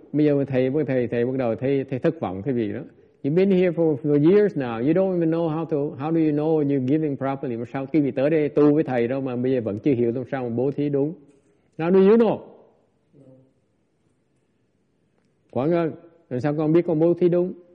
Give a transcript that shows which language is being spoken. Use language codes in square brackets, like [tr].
[vi] Bây giờ thầy bắt đầu thấy thất vọng cái gì đó. [en] You've been here for years now. You don't even know how do you know when you're giving properly. [vi] Mà sao khi vị tới đây tu với thầy đâu mà bây giờ vẫn chưa hiểu làm sao mà bố thí đúng. [en] How do you know? [vi] Quả ngân, làm sao con biết con bố thí đúng?